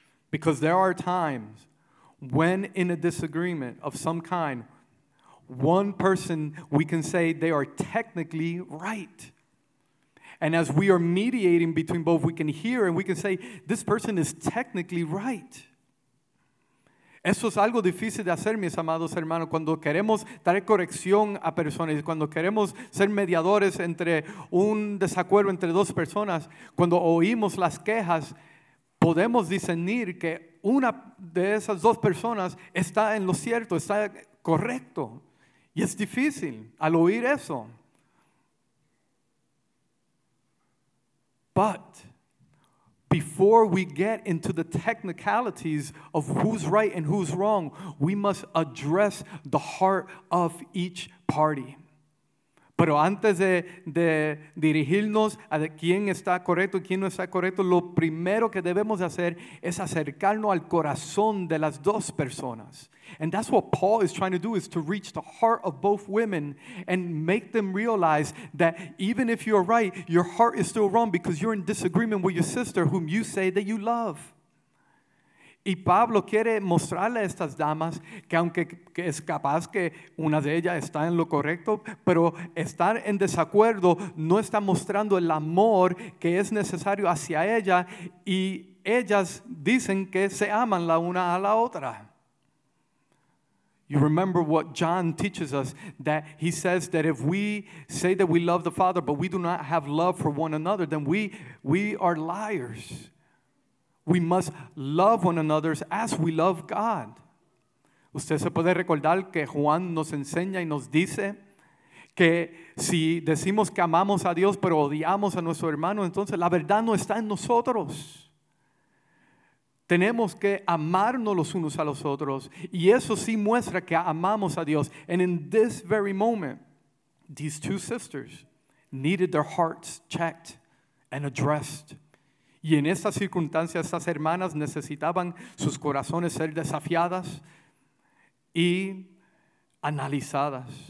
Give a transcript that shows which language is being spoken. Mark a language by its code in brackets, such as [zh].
[en] Because there are times when in a disagreement of some kind, one person, we can say they are technically right. And as we are mediating between both, we can hear and we can say, this person is technically right. [es] Eso es algo difícil de hacer, mis amados hermanos, cuando queremos dar corrección a personas, cuando queremos ser mediadores entre un desacuerdo entre dos personas, cuando oímos las quejas, podemos discernir que una de esas dos personas está en lo cierto, está correcto. Y es difícil al oír eso. [en] But before we get into the technicalities of who's right and who's wrong, we must address the heart of each party. [es] Pero antes de dirigirnos a quién está correcto y quién no está correcto, lo primero que debemos hacer es acercarnos al corazón de las dos personas. [en] And that's what Paul is trying to do, is to reach the heart of both women and make them realize that even if you're right, your heart is still wrong because you're in disagreement with your sister whom you say that you love. [es] Y Pablo quiere mostrarle a estas damas que aunque que es capaz que una de ellas está en lo correcto, pero estar en desacuerdo no está mostrando el amor que es necesario hacia ella, y ellas dicen que se aman la una a la otra. [en] You remember what John teaches us, that he says that if we say that we love the Father but we do not have love for one another, then we are liars. We must love one another as we love God. [es] Usted se puede recordar que Juan nos enseña y nos dice que si decimos que amamos a Dios pero odiamos a nuestro hermano, entonces la verdad no está en nosotros. Tenemos que amarnos los unos a los otros, y eso sí muestra que amamos a Dios. [en] And in this very moment, these two sisters needed their hearts checked and addressed. [es] Y en estas circunstancias, estas hermanas necesitaban sus corazones ser desafiadas y analizadas.